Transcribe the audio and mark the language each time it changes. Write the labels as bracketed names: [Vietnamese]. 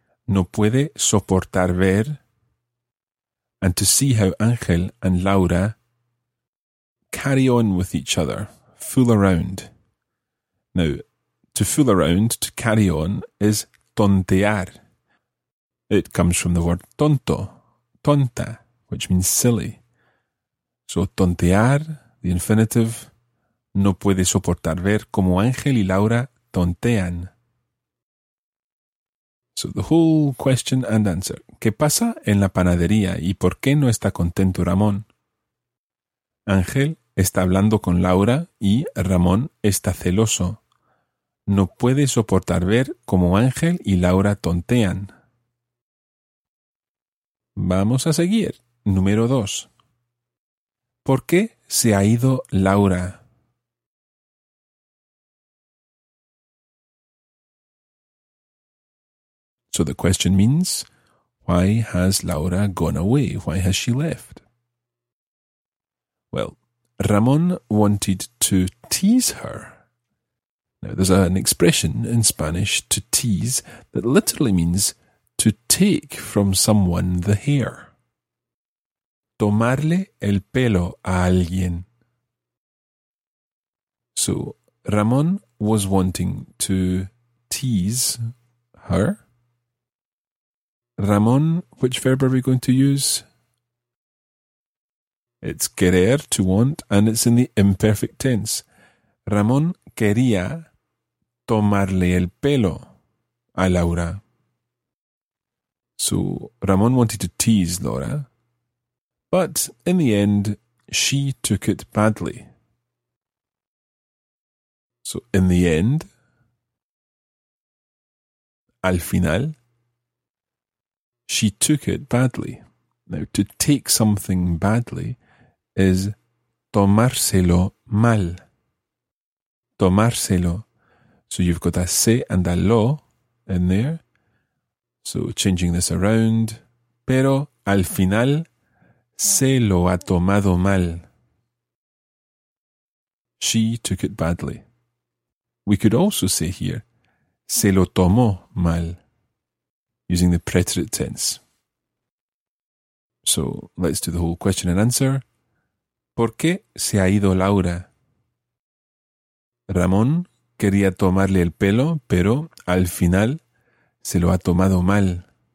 [Spanish] No puede soportar ver. [English] And to see how Ángel and Laura carry on with each other, fool around. Now, to fool around, to carry on, is tontear. It comes from the word tonto, tonta, which means silly. [Spanish] So tontear, [English] the infinitive, [Spanish] no puede soportar ver como Ángel y Laura tontean. [English] So the whole question and answer. [Spanish] ¿Qué pasa en la panadería y por qué no está contento Ramón? Ángel está hablando con Laura y Ramón está celoso. No puede soportar ver cómo Ángel y Laura tontean. Vamos a seguir. Número 2. ¿Por qué se ha ido Laura? [English] So the question means, why has Laura gone away? Why has she left? Well, Ramón wanted to tease her. Now, there's an expression in Spanish, to tease, that literally means to take from someone the hair. [Spanish] Tomarle el pelo a alguien. [English] So, Ramón was wanting to tease her. Ramón, which verb are we going to use? It's querer, to want, and it's in the imperfect tense. [Spanish] Ramón quería tomarle el pelo a Laura. [English] So, Ramón wanted to tease Laura, but in the end, she took it badly. So, in the end, al final, she took it badly. Now, to take something badly is tomárselo mal. Tomárselo. So you've got a se and a lo in there. So changing this around. [Spanish] Pero al final se lo ha tomado mal. [English] She took it badly. We could also say here, [Spanish] se lo tomó mal, [English] using the preterite tense. So let's do the whole question and answer. [Spanish] ¿Por qué se ha ido Laura? Ramón quería tomarle el pelo, pero al final se lo ha tomado mal.